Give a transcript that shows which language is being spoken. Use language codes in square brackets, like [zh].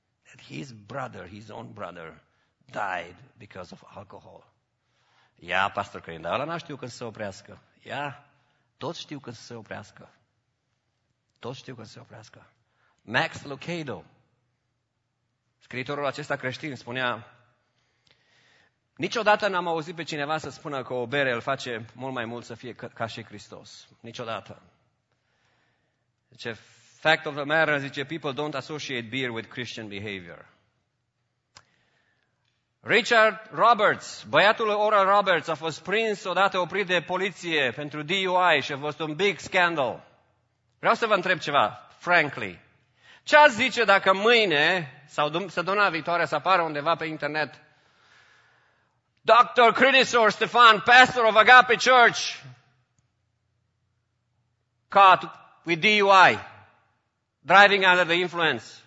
[en] That his brother, his own brother, died because of alcohol. [ro] Ia, pastor Crin, dar ăla n-a știut când să se oprească. Ia, toți știu când să se oprească. Toți știu când să se oprească. Max Lucado, scriitorul acesta creștin, spunea, niciodată n-am auzit pe cineva să spună că o bere îl face mult mai mult să fie ca și Hristos. Niciodată. Zice, [en] fact of the matter, [ro] zice, [en] people don't associate beer with Christian behavior. [ro] Richard Roberts, băiatul Oral Roberts, a fost prins odată oprit de poliție pentru DUI și a fost un [en] big scandal. [ro] Vreau să vă întreb ceva, frankly. Ce ați zice dacă mâine, sau săptămâna viitoare, să apară undeva pe internet, Dr. [en] Crinișor Ștefan, pastor of Agape Church, caught with DUI, driving under the influence.